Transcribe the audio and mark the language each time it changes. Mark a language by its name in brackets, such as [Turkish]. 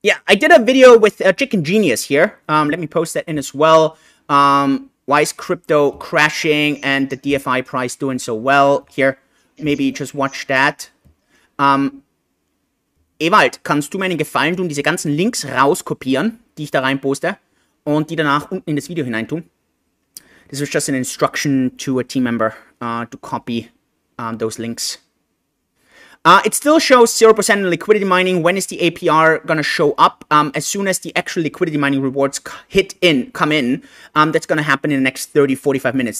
[English] I did a video with Chicken Genius here. Let me post that in as well. Why is crypto crashing and the DeFi price doing so well here? Maybe just watch that. [German] Ewald, kannst du mir einen Gefallen tun, diese ganzen Links rauskopieren, die ich da reinposte, und die danach unten in das Video hineintun? [English] This was just an instruction to a team member to copy those links. It still shows 0% liquidity mining. When is the APR going to show up? As soon as the actual liquidity mining rewards come in, that's going to happen in the next 30, 45 minutes.